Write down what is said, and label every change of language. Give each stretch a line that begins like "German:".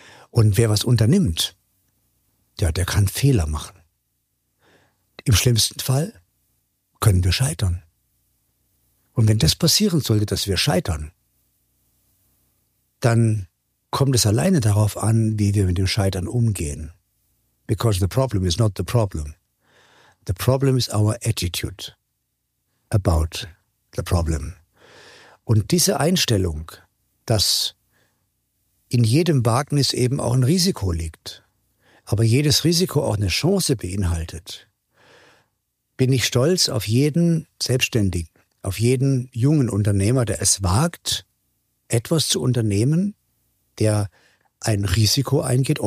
German: Und wer was unternimmt, ja, der kann Fehler machen. Im schlimmsten Fall können wir scheitern. Und wenn das passieren sollte, dass wir scheitern, dann kommt es alleine darauf an, wie wir mit dem Scheitern umgehen.
English: Because the problem is not the problem. The problem is our attitude about the problem.
German: Und diese Einstellung, dass in jedem Wagnis eben auch ein Risiko liegt, aber jedes Risiko auch eine Chance beinhaltet, bin ich stolz auf jeden Selbstständigen, auf jeden jungen Unternehmer, der es wagt, etwas zu unternehmen, der ein Risiko eingeht.